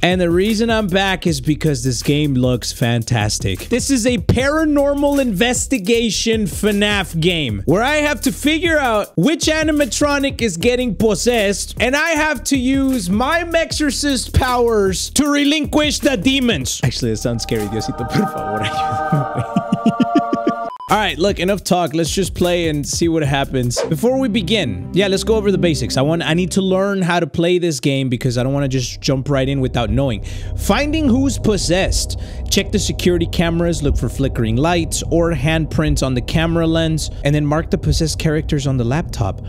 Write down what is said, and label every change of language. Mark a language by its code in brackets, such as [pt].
[en] And the reason I'm back is because this game looks fantastic. This is a paranormal investigation FNAF game where I have to figure out which animatronic is getting possessed and I have to use my exorcist powers to relinquish the demons. Actually, that sounds scary. [es] Diosito, por favor, ayúdame. [en] All right, look, enough talk. Let's just play and see what happens. Before we begin, yeah, let's go over the basics. I need to learn how to play this game because I don't want to just jump right in without knowing. Finding who's possessed. Check the security cameras, look for flickering lights or handprints on the camera lens, and then mark the possessed characters on the laptop.